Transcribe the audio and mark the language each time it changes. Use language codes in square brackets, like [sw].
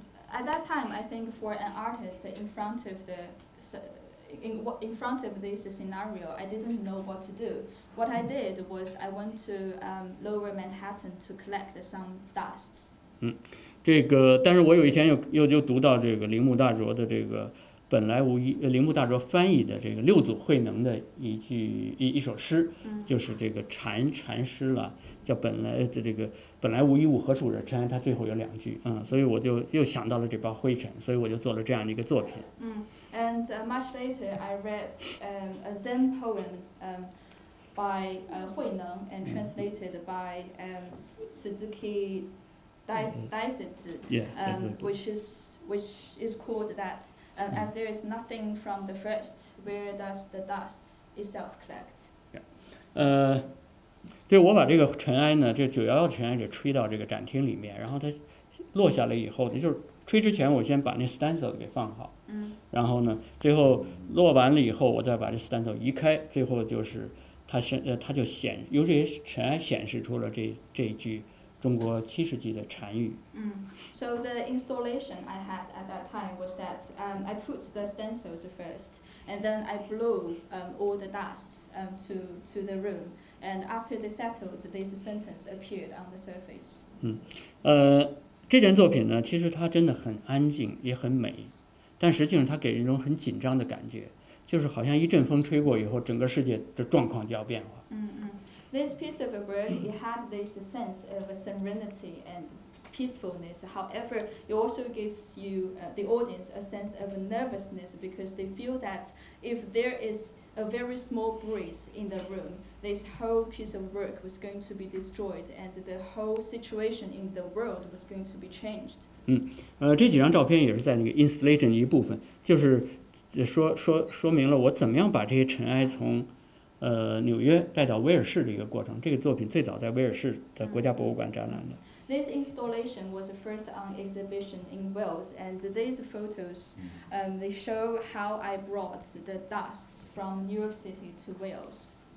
[en] At that time, I think for an artist in front of this scenario, I didn't know what to do. What I did was I went to Lower Manhattan to collect some dusts. [zh] 这个，但是我有一天又读到这个铃木大拙的这个本来无一，铃木大拙翻译的这个六祖慧能的一首诗，就是这个禅诗了。叫本来无一物，何处惹尘埃？他最后有两句，所以我就又想到了这包灰尘，所以我就做了这样的一个作品。 [en] And much later, I read a Zen poem, by Hui Neng and translated by Suzuki Daisetsu, which is called that. As there is nothing from the first, where does the dust itself collect? Yeah. [zh] 对，我把这个尘埃呢， 这911的尘埃 给吹到这个展厅里面， 然后它落下来以后， 就是吹之前， 我先把那stencil给放好， 然后呢， 最后落完了以后， 我再把这stencil移开， 最后就是， 它就显， 由这些尘埃显示出了， 这句中国七世纪的禅语。 [en] So the installation I had at that time was that I put the stencils first, and then I blew all the dust to the room. And after they settled, this sentence appeared on the surface. [zh] 这件作品呢, 其实它真的很安静, 也很美, 但实际上它给人一种很紧张的感觉, 就是好像一阵风吹过以后, 整个世界的状况就要变化。 [en] This piece of work, it had this sense of serenity and peacefulness. However, it also gives you, the audience, a sense of nervousness because they feel that if there is a very small breeze in the room, this whole piece of work was going to be destroyed and the whole situation in the world was going to be changed. [zh] 这几张照片也是在那个installation一部分, 就是说明了我怎么样把这些尘埃从 纽约带到威尔士的一个过程， 这个作品最早在威尔士的国家博物馆展览的。 [en] This installation was first on exhibition in Wales, and these photos, they show how I brought the dust from New York City to Wales.